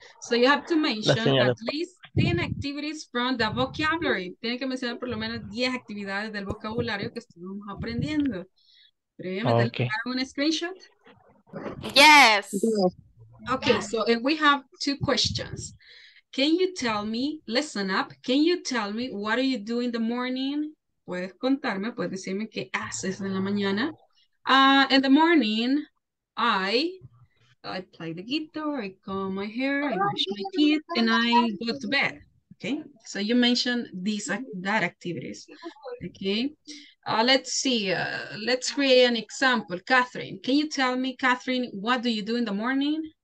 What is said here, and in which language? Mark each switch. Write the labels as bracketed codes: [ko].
[en] So you have to mention at least 10 activities from the vocabulary. [es] Tienen que mencionar por lo menos 10 actividades del vocabulario que estuvimos aprendiendo. Okay. ¿Un screenshot? [en] Yes. Okay, so and we have two questions. Can you tell me, listen up, can you tell me what are you doing in the morning? [es] Puedes contarme, puedes decirme qué haces en la mañana. [en] In the morning, I play the guitar, I comb my hair, I brush my teeth, and I go to bed. Okay, so you mentioned these that activities. Okay, let's see. Let's create an example. Catherine, can you tell me, Catherine, what do you do in the morning?